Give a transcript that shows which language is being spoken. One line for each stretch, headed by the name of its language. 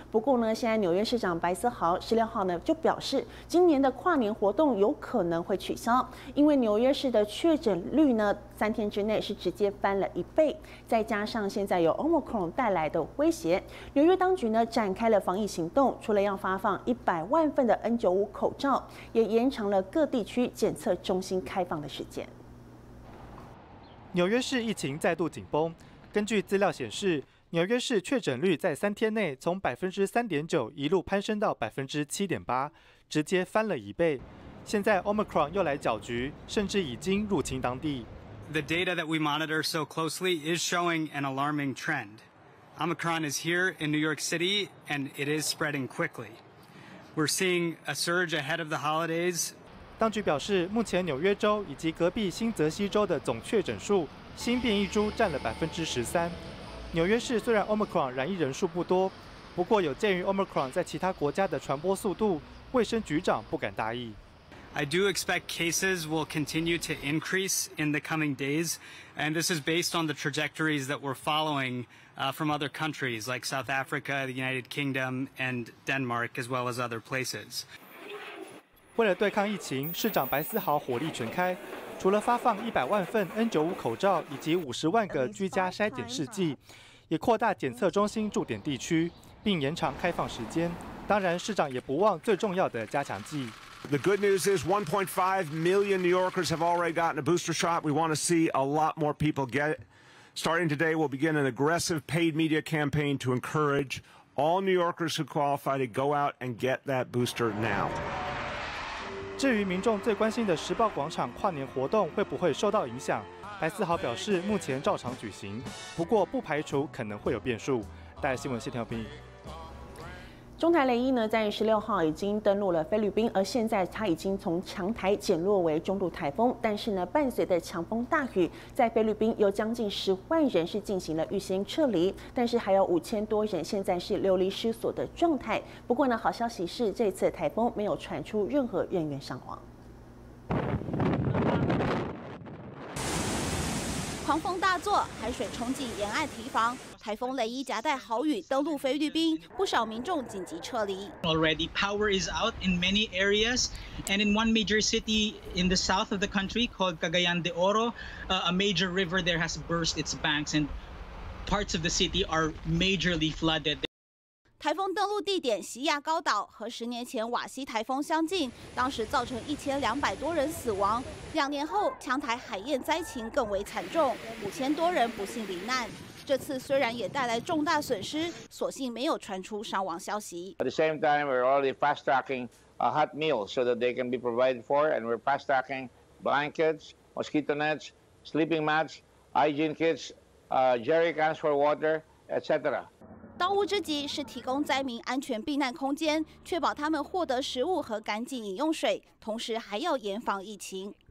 Chinese: 不过呢，现在纽约市长白思豪16号呢就表示，今年的跨年活动有可能会取消，因为纽约市的确诊率呢3天之内是直接翻了1倍，再加上现在有 Omicron 带来的威胁，纽约当局呢展开了防疫行动，除了要发放100万份的 N95 口罩，也延长了各地区检测中心开放的时间。纽约市疫情再度紧绷。根据资料显示，纽约市确诊率在3天内从3.9%一路攀升到7.8%，直接翻了1倍。现在 Omicron 又来搅局，甚至已经入侵当地。
English: The data that we monitor so closely is showing an alarming trend. Omicron is here in New York City, and it is spreading quickly. We're seeing a surge ahead of the holidays.
Chinese: 当局表示，目前纽约州以及隔壁新泽西州的总确诊数，新变异株占了13%。纽约市虽然 Omicron 染疫人数不多，不过有鉴于 Omicron 在其他国家的传播速度，卫生局长不敢大意。
English: I do expect cases will continue to increase in the coming days, and this is based on the trajectories that we're following from other countries like South Africa, the United Kingdom, and Denmark, as well as other places.
Chinese: 为了对抗疫情，市长白思豪火力全开，除了发放100万份 N95 口罩以及50万个居家筛检试剂，也扩大检测中心驻点地区，并延长开放时间。当然，市长也不忘最重要的加强剂。
English: The good news is 1.5 million New Yorkers have already gotten a booster shot. We want to see a lot more people get it. Starting today, we'll begin an aggressive paid media campaign to encourage all New Yorkers who qualify to go out and get that booster now.
Chinese: 至于民众最关心的时报广场跨年活动会不会受到影响，白思豪表示目前照常举行，不过不排除可能会有变数。带来新闻谢条斌。中台雷伊呢在16号已经登陆了菲律宾，而现在他已经从强台减弱为中度台风，但是呢伴随的强风大雨，在菲律宾有将近10万人是进行了预先撤离，但是还有5000多人现在是流离失所的状态。不过呢好消息是这次台风没有传出任何人员伤亡。狂风大作，海水冲进沿岸堤防，台风雷伊夹带豪雨登陆菲律宾，不少民众紧急撤离。
English: Already power is out in many areas, and in one major city in the south of the country called Cagayan de Oro, a major river there has burst its banks, and parts of the city are majorly flooded.
Chinese: 台风登陆地点西亚高岛和十年前瓦西台风相近，当时造成1200多人死亡。两年后，强台海燕灾情更为惨重，5000多人不幸罹难。这次虽然也带来重大损失，所幸没有传出伤亡消息。
English: At the same time, we're already fast tracking a hot meal so that they can be provided for, and we're fast tracking blankets, mosquito nets, sleeping mats, hygiene kits, jerry cans for water, etc.
Chinese: 当务之急是提供灾民安全避难空间，确保他们获得食物和干净饮用水，同时还要严防疫情。